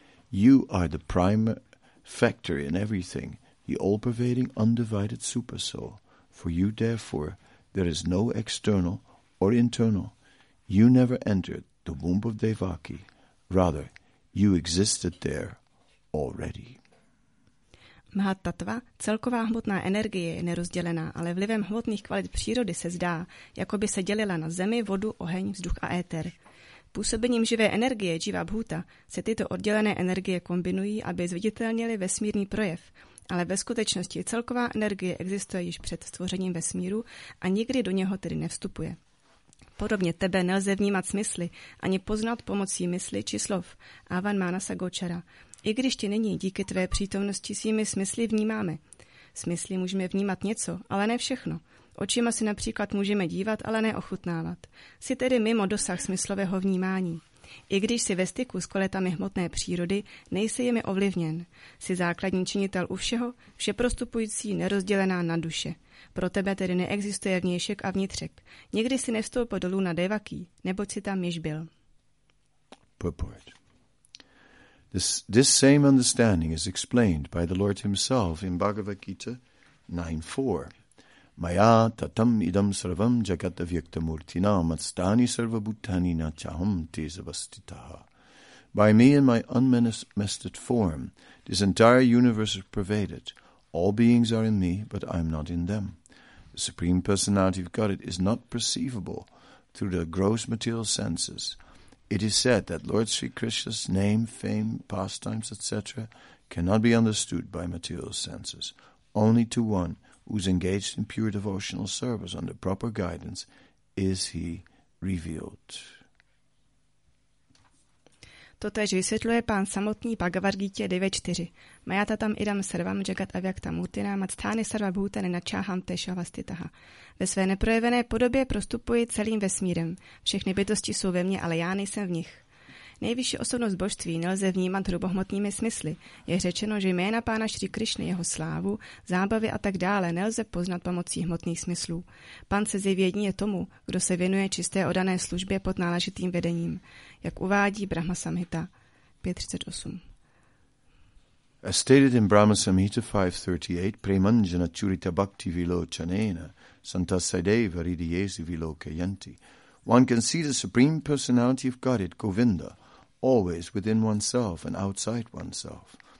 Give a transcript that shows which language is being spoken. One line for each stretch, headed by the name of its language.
English: You are the prime factor in everything, the all-pervading, undivided supersoul. For you, therefore, there is no external or internal. You never entered the womb of Devaki. Rather, you existed there already.
Czech: Mahatattva, celková hmotná energie, je nerozdělená, ale vlivem hmotných kvalit přírody se zdá, jako by se dělila na zemi, vodu, oheň, vzduch a éter. Působením živé energie, Jiva Bhuta, se tyto oddělené energie kombinují, aby zviditelnili vesmírný projev, ale ve skutečnosti celková energie existuje již před stvořením vesmíru a nikdy do něho tedy nevstupuje. Podobně tebe nelze vnímat smysly, ani poznat pomocí mysli či slov,
Sanskrit: avan manasa gochara,
Czech: i když tě nyní díky tvé přítomnosti svými smysly vnímáme. Smysly můžeme vnímat něco, ale ne všechno. Očima si například můžeme dívat, ale ne ochutnávat. Jsi tedy mimo dosah smyslového vnímání. I když jsi ve styku s kvalitami hmotné přírody, nejsi jimi ovlivněn. Jsi základní činitel u všeho, vše prostupující, nerozdělená na duše. Pro tebe tedy neexistuje vnějšek a vnitřek. Nikdy jsi nevstoupil dolů na Devaki, neboť jsi tam již byl.
English: Purport. This same understanding is explained by the Lord himself in Bhagavad Gita 9.4.
Sanskrit: Maya tatam idam sarvam jagat avyaktamurtina matstani sarva bhutani na chaham tezavastitaha.
English: By me and my unmanifested form, this entire universe is pervaded. All beings are in me, but I am not in them. The Supreme Personality of Godhead is not perceivable through the gross material senses. It is said that Lord Sri Krishna's name, fame, pastimes, etc. cannot be understood by material senses. Only to one who is engaged in pure devotional service under proper guidance is he revealed.
Czech: Totéž vysvětluje pán samotný Bhagavad Gita 9.4.
Sanskrit: Mayatatam idam sarvam jagat avyakta murtina matsthani sarva bhutani nachaham tezavastitaha.
Czech: Ve své neprojevené podobě prostupuji celým vesmírem. Všechny bytosti jsou ve mně, ale já nejsem v nich. Nejvyšší osobnost božství nelze vnímat hrubohmotnými smysly. Je řečeno, že jména Pána Šri Krišny, jeho slávu, zábavy a tak dále nelze poznat pomocí hmotných smyslů. Pán se zjeví jedině tomu, kdo se věnuje čisté oddané službě pod náležitým vedením, jak uvádí Brahma Samhita 5.38.
English: As stated in Brahma Samhita 5.38,
Sanskrit: Premanjana Churita Bhakti Vilochanena Santasadeva Ridiyesi Vilokayanti,
English: one can see the Supreme Personality of Godhead, Govinda, always within oneself and outside oneself.